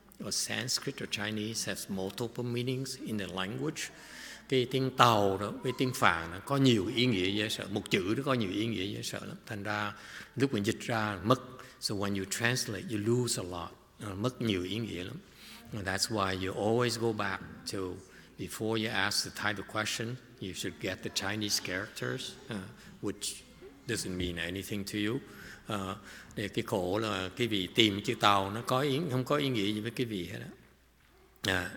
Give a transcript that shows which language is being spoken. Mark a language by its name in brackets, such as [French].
[English] Or Sanskrit or Chinese has multiple meanings in the language. [Vietnamese] Cái tiếng Tàu đó với tiếng Phạn đó có nhiều ý nghĩa dễ sợ. Một chữ đó có nhiều ý nghĩa dễ sợ lắm. Thành ra lúc mình dịch ra mất. [English] So when you translate, you lose a lot. [Vietnamese] Mất nhiều ý nghĩa lắm. [English] And that's why you always go back to, before you ask the type of question, you should get the Chinese characters, which doesn't mean anything to you. [Vietnamese] Để cái khổ là cái vị tìm chữ tàu nó có ý, không có ý nghĩa gì với cái vị hết á.